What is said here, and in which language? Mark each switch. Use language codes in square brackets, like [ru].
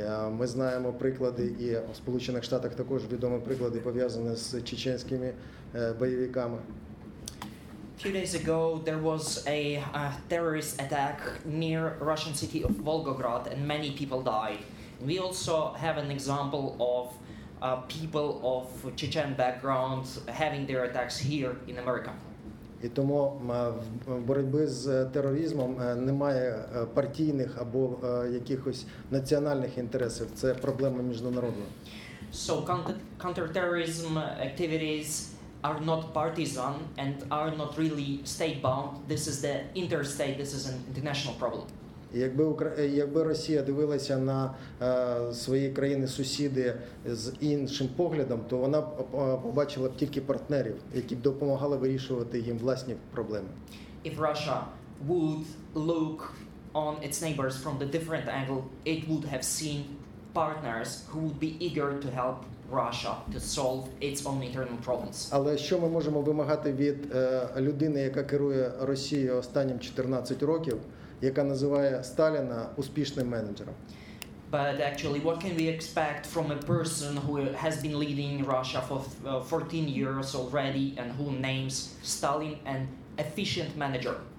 [uk] Ми знаємо приклади, і в Сполучених Штатах також відомі приклади, пов'язані з чеченськими бойовиками. [en] Few days ago there was a terrorist attack near Russian city of Volgograd and many people died. We also have an example of people of Chechen background having their attacks here in America. [uk] І тому боротьби з тероризмом немає партійних або якихось національних інтересів. Це проблема міжнародна. [en] So counter-terrorism activities are not partisan and are not really state bound. This is the interstate, this is an international problem. [uk] Якби Росія дивилася на свої країни-сусіди з іншим поглядом, то вона б побачила б тільки партнерів, які б допомагали вирішувати їм власні проблеми. [en] If Russia would look on its neighbors from the different angle, it would have seen partners who would be eager to help Russia to solve its own internal problems. [uk] Але що ми можемо вимагати від людини, яка керує Росією останнім 14 років, яка називає Сталіна успішним менеджером? [en] But actually, what can we expect from a person who has been leading Russia for 14 years already and who names Stalin an efficient manager?